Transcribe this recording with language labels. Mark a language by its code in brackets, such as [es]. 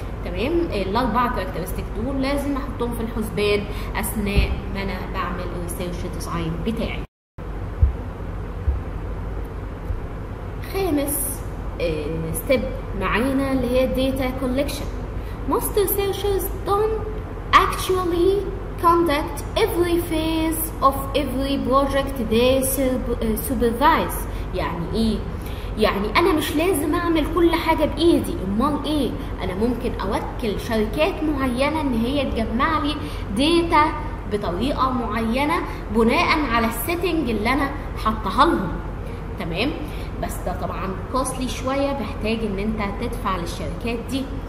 [ar] تمام، الاربع كاركترستيك دول لازم احطهم في الحسبان اثناء ما انا بعمل ريسيرش ديزاين بتاعي. خامس ستيب معانا اللي هي داتا كولكشن. [en] Most researchers don't actually conduct every phase of every project they supervise. [ar] يعني ايه؟ يعني انا مش لازم اعمل كل حاجة بايدي، امال ايه؟ انا ممكن اوكل شركات معينة ان هي تجمع لي داتا بطريقة معينة بناء على السيتنج اللي انا حطها لهم. تمام؟ بس ده طبعا كوستلي شوية، بحتاج ان انت تدفع للشركات دي.